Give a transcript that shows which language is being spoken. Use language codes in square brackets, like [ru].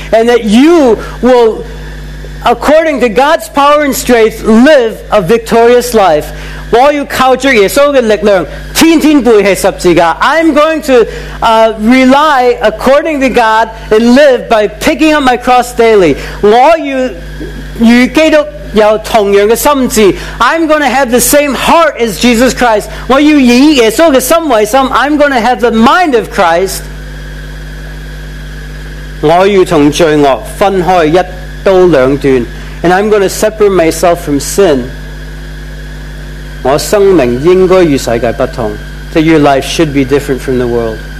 [en] and that you will, according to God's power and strength, live a victorious life. [zh] 我要靠着耶稣的力量，天天背起十字架。 [en] I'm going to rely according to God and live by picking up my cross daily. [zh] 我要与基督有同样的心智。 [en] I'm going to have the same heart as Jesus Christ. [zh] 我要以耶稣的心为心。 [en] I'm going to have the mind of Christ. [zh] 我要从罪恶分开一刀两断。 [en] And I'm going to separate myself from sin. [zh] 我生命应该与世界不同, [en] that your life should be different from the world.